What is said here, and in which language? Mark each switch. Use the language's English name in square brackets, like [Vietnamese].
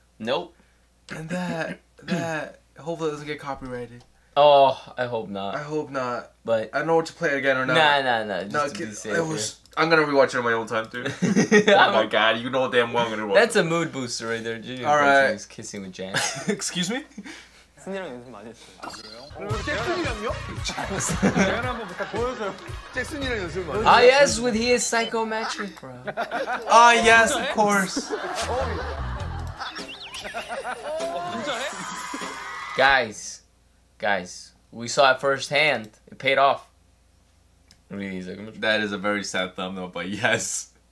[English] Nope. And that hopefully doesn't get copyrighted. Oh, I hope not. But I don't know what to play again or not. Nah. Just to be safe. I'm gonna rewatch it on my own time too. Oh my god, you know damn well I'm gonna rewatch. That's it. A mood booster right there, dude. All right. Kissing with Jan. Excuse me. [Korean] 잭슨이랑 연습 많이 했어요. 아 그래요? 잭슨이랑요? 제가 한번 부탁 보여줘요. 잭슨이랑 연습 많이 했어요. [English] Ah, yes, with his psychometric, bro. Ah, yes, of course. [Korean] 진짜 해? [English] Guys, we saw it firsthand. It paid off. That is a very sad thumbnail, but yes.